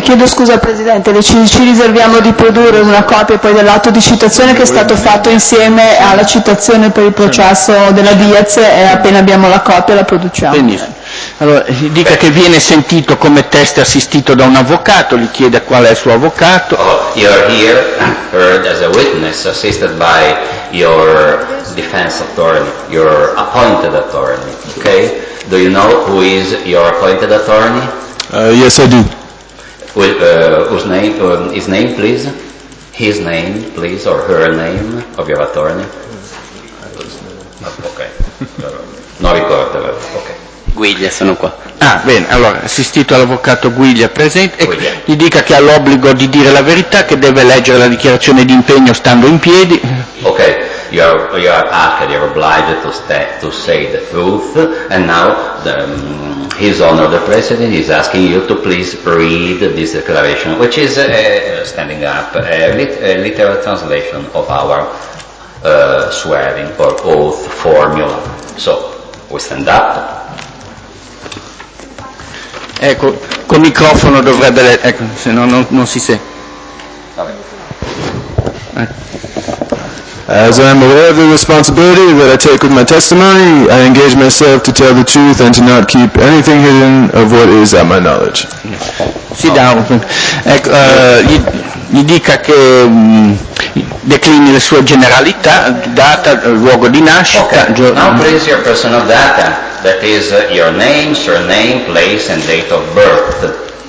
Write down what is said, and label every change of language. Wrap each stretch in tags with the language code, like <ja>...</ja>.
<it>Chiedo scusa, Presidente, ci riserviamo di produrre una copia poi dell'atto di citazione che è stato fatto insieme alla citazione per il processo della Diaz e appena abbiamo la copia la produciamo. Benissimo. Allora, dica che viene sentito come test assistito da un avvocato, gli chiede qual è il suo avvocato.</it> <en>You are here heard as a witness assisted by your defense attorney, your appointed attorney, okay? Do you know who is your appointed attorney? Yes, I do. His name, please, or her name of your attorney?</en> <it>Okay. Non ricordo, okay. Guiglia, sono qua. Ah, bene, allora, assistito all'avvocato Guiglia, presente, e Guiglia. Gli dica che ha l'obbligo di dire la verità, che deve leggere la dichiarazione di impegno stando in piedi.</it> <en>Ok, you are obliged to say the truth, and now His Honor the President is asking you to please read this declaration, which is standing up, a literal translation of our swearing or oath formula. So, we stand up.</en> <it>Ecco, col microfono dovrebbe... Ecco, se no non si sente.</it> <en>As I am aware of the responsibility that I take with my testimony, I engage myself to tell the truth and to not keep anything hidden of what is at my knowledge. Sit down.</en> <it>Ecco, gli dica che declini le sue generalità, data, luogo di nascita.</it> <en>Okay. Now please your personal data. That is your name, surname, place and date of birth.</en>